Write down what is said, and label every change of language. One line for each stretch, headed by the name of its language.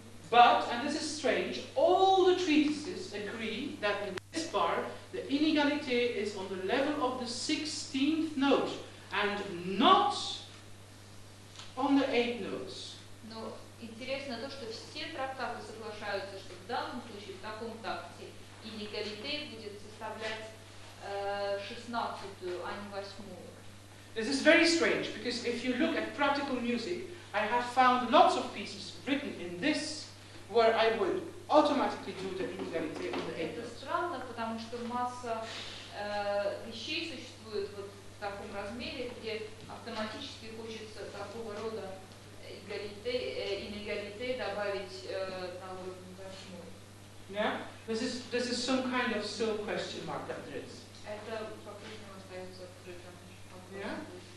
English: But, and this is strange, all the treatises agree that in this bar, the inégalité is on the level of the 16th note and not on the 8th notes.
Russian: Но интересно то, что все трактаты соглашаются, что в данном случае, в таком такте, inégalité будет составлять 16-ю, а не 8-ю.
English: This is very strange, because if you look at practical music, I have found lots of pieces written in this where I would automatically do the inégalité on the 8th.
Russian: Это странно, потому что масса вещей существует вот в таком размере, где автоматически хочется такого рода inégalité добавить на уровень 8.
English: Yeah? This is some kind of still question mark that there is.
Russian: Это по-прежнему остается открытым.